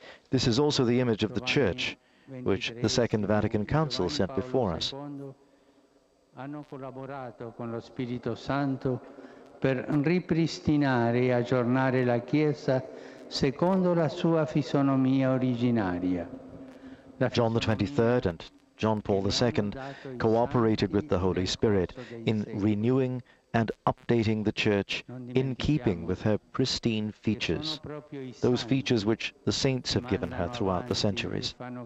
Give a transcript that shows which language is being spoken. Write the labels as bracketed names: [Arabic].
[English] This is also the image of the Church, which the Second Vatican Council sent before us. [Italian] Hanno collaborato con lo Spirito Santo per ripristinare e aggiornare la Chiesa secondo la sua fisonomia originaria. [English] John the 23rd and John Paul II cooperated with the Holy Spirit in renewing and updating the Church in keeping with her pristine features, those features which the saints have given her throughout the centuries.